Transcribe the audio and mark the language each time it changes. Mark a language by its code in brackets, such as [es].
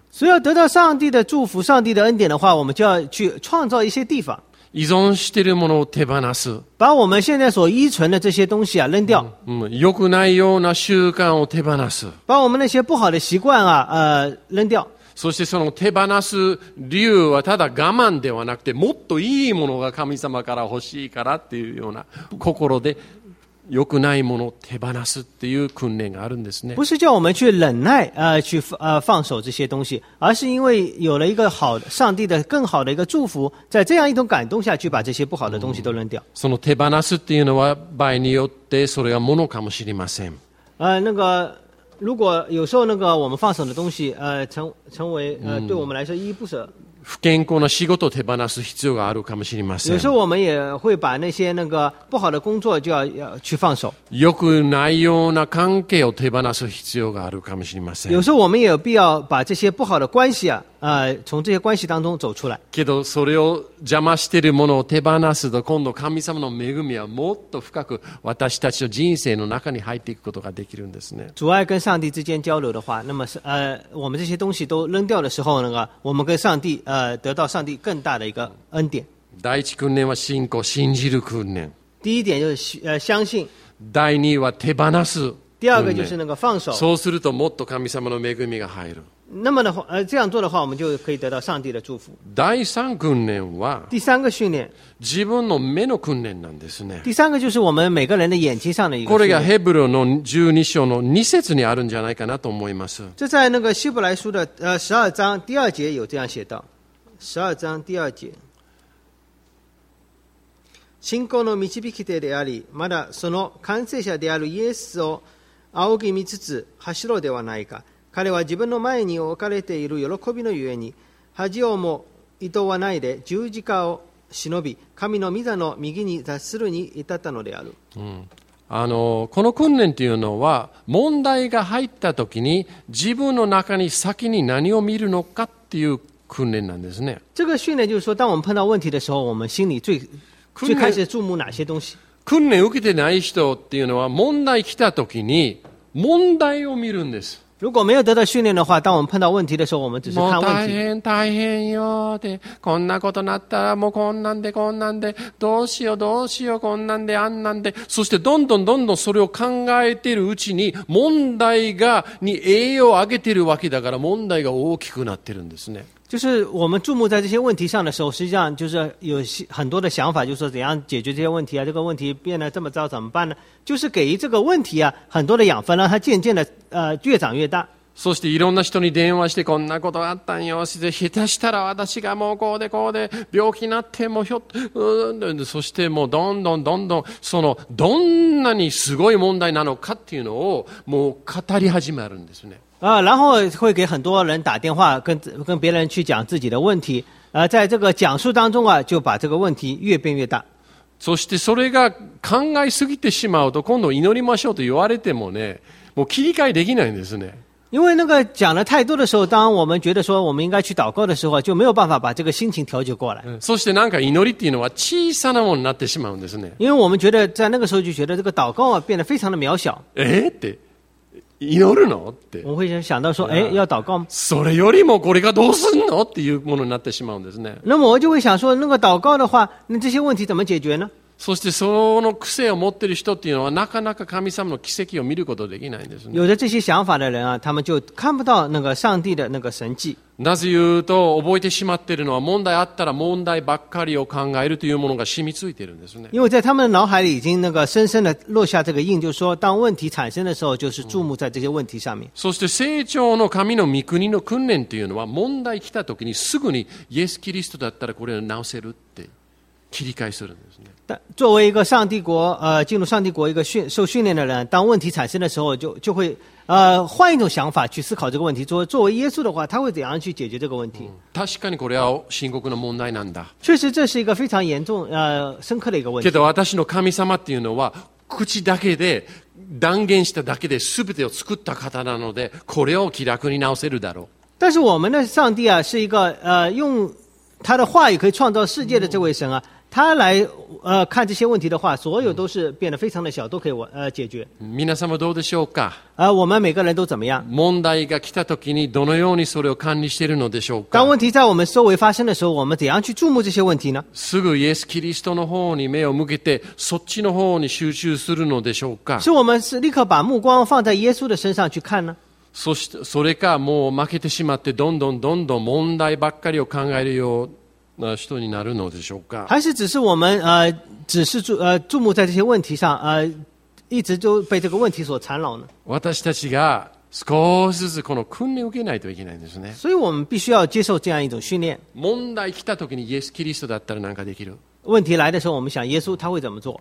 [zh] 所以要得到上帝的祝福、上帝的恩典的话，我们就要去创造一些地方。 [ja] 依存しているものを手放す。 [zh] 把我们现在所依存的这些东西啊扔掉。 [ja] 良くないような習慣を手放す。 [zh] 把我们那些不好的习惯啊扔掉。 [ja] そしてその手放す理由はただ我慢ではなくて、もっといいものが神様から欲しいからっていうような心で。良くないものを手放すっていう訓練があるんですね。 [zh] 不是叫我们去忍耐、去放手这些东西，而是因为有了一个好上帝的更好的一个祝福，在这样一种感动下去把这些不好的东西都扔掉。 [ja] その手放すっていうのは場合によってそれが物かもしれません。 [zh] 那个如果有时候那个我们放手的东西，成为对我们来说依依不舍。 [ja] 不健康な仕事を手放す必要があるかもしれません。 [zh] 有时候我们也会把那些那个不好的工作就要去放手。 [ja] 良くないような関係を手放す必要があるかもしれません。 [zh] 有时候我们也有必要把这些不好的关系啊，从这些关系当中走出来。 [ja] けどそれを邪魔しているものを手放すと、今度神様の恵みはもっと深く私たちの人生の中に入っていくことができるんですね。 [zh] 阻碍跟上帝之间交流的话，那么我们这些东西都扔掉的时候，那个我们跟上帝。得到上帝更大的一个恩典。 [ja] 第一訓練は信仰、信じる訓練。 [zh] 第一点就是相信。 [ja] 第二は手放す。 [zh] 第二个就是那个放手。 [ja] そうするともっと神様の恵みが入る。 [zh] 那么的话，这样做的话，我们就可以得到上帝的祝福。 [ja] 第三訓練は。 [zh] 第三个训练。 [ja] 自分の目の訓練なんですね。 [zh] 第三个就是我们每个人的眼睛上的一个。 [ja] これがヘブルの十二章の二節にあるんじゃないかなと思います。 [zh] 这在那个希伯来书的十二章第二节有这样写到。十二章第二节， [ja] 信仰の導き手であり、まだその完成者であるイエスを仰ぎ見つつ走ろうではないか。彼は自分の前に置かれている喜びのゆえに、恥をも厭わないで十字架を忍び、神の御座の右に座するに至ったのである。この訓練というのは、問題が入った時に自分の中に先に何を見るのかっていう訓練なんですね。 [zh] 这个训练就是说，当我们碰到问题的时候，我们心里最开始注目哪些东西？ [ja] 訓練受けてない人っていうのは、問題来た時に問題を見るんです。 [zh] 如果没有得到训练的话，当我们碰到问题的时候，我们只是看问题。 [ja] もう大変大変よって、こんなことなったらもうこんなんでこんなんで、どうしようどうしようこんなんであんなんで、そしてどんどんどんどんそれを考えているうちに問題がに栄養を上げているわけだから問題が大きくなってるんですね。 [zh] 就是我们注目在这些问题上的时候，实际上就是有很多的想法，就是说怎样解决这些问题啊？这个问题变得这么糟怎么办呢？就是给这个问题啊很多的养分，让它渐渐的越长越大。 [ja] そしていろんな人に電話してこんなことあったんよ。そして下手したら私がもうこうでこうで病気になってもひょっと、そしてもうどんどんどんどんそのどんなにすごい問題なのかっていうのをもう語り始めるんですね。 [zh] 然后会给很多人打电话跟别人去讲自己的问题，在这个讲述当中啊，就把这个问题越变越大。 [ja] そしてそれが考えすぎてしまうと、今度祈りましょうと言われてもね、もう切り替えできないんですね。 [zh] 因为那个讲了太多的时候，当我们觉得说我们应该去祷告的时候，就没有办法把这个心情调节过来。 [ja] そしてなんか祈りっていうのは小さなものになってしまうんですね。 [zh] 因为我们觉得在那个时候就觉得这个祷告啊变得非常的渺小。 [ja] って。祈るのって。 [zh] 我会想到说，哎，要祷告吗？ [ja] それよりもこれがどうすんのっていうものになってしまうんですね。 [zh] 那么我就会想说，那个祷告的话，那这些问题怎么解决呢？ [ja] そしてその癖を持ってる人っていうのはなかなか神様の奇跡を見ることできないんですね。 [zh] 有着这些想法的人啊，他们就看不到那个上帝的那个神迹。 [ja] なぜ言うと覚えてしまってるのは問題あったら問題ばっかりを考えるというものが染み付いてるんですね。 [zh] 因为在他们的脑海里已经那个深深的落下这个印，就是说当问题产生的时候，就是注目在这些问题上面。 [ja] そして成長の神の御国の訓練というのは問題来た時にすぐにイエスキリストだったらこれを直せるって切り替えするんですね。 [zh] 作为一个上帝国，进入上帝国一个受训练的人，当问题产生的时候，就会换一种想法去思考这个问题。作为耶稣的话，他会怎样去解决这个问题？ [ja] 確かにこれは深刻な問題なんだ。 [zh] 确实，这是一个非常严重、深刻的一个问题。 [ja] けど私の神様っていうのは口だけで断言しただけで全てを作った方なので、これを気楽に直せるだろう。 [zh] 但是我们的上帝啊，是一个用他的话语可以创造世界的这位神啊。他来看这些问题的话，所有都是变得非常的小，都可以解决。 [ja] 皆様どうでしょうか？ [zh] 我们每个人都怎么样？ [ja] 問題が来た時にどのようにそれを管理しているのでしょうか？ [zh] 当问题在我们周围发生的时候，我们怎样去注目这些问题呢？ [ja] すぐイエスキリストの方に目を向けて、そっちの方に集中するのでしょうか？ [zh] 是我们是立刻把目光放在耶稣的身上去看呢？ [ja] そしてそれかもう負けてしまってどんどんどんどん問題ばっかりを考えるよう。人になるのでしょうか。 [zh] 还是只是我们只是注目在这些问题上一直就被这个问题所缠绕呢？ [ja] 私たちが少しずつこの訓練を受けないといけないんですね。 [zh] 所以我们必须要接受这样一种训练。 [ja] 問題来た時にイエス・キリストだったら何かできる。 [zh] 问题来的时候，我们想耶稣他会怎么做？